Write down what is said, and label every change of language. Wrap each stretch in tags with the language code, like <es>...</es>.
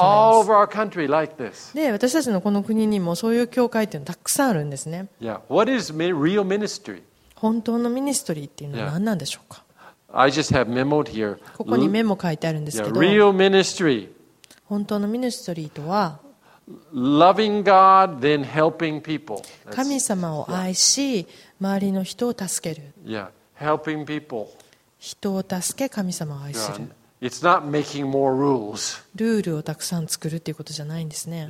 <en>And there are churches all over our country like this.</en> <ja>私たちのこの国にもそういう教会っていうのたくさんあるんですね。</ja> <en>Yeah. What is real ministry?</en> <ja>本当のミニストリーっていうのは何なんでしょうか。</ja> <en>I just have memoed here.</en> <ja>ここにメモ書いてあるんですけど。</ja> <en>Real ministry.</en> <ja>本当のミニストリーとは。</ja> <en>Loving God, then helping people.</en> <ja>神様を愛し、周りの人を助ける。</ja> <en>Yeah. Helping people.</en> <ja>人を助け神様を愛する。</ja> <en>Yeah. It's not making more rules.</en> <ja>ルールをたくさん作るっていうことじゃないんですね。</ja>